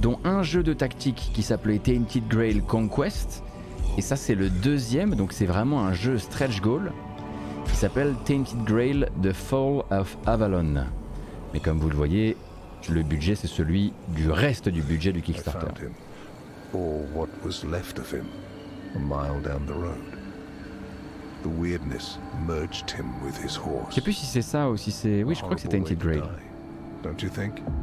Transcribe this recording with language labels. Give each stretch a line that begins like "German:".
French: Dont un jeu de tactique qui s'appelait Tainted Grail Conquest, et ça c'est le deuxième, donc c'est vraiment un jeu stretch goal, qui s'appelle Tainted Grail The Fall of Avalon. Mais comme vous le voyez, le budget c'est celui du reste du budget du Kickstarter.
English: Or what was left of him, a mile down the road. The weirdness merged him with his horse.
French: Je sais plus si c'est ça ou si c'est... Oui, je crois que c'est Tainted Grail.
English: Don't you think?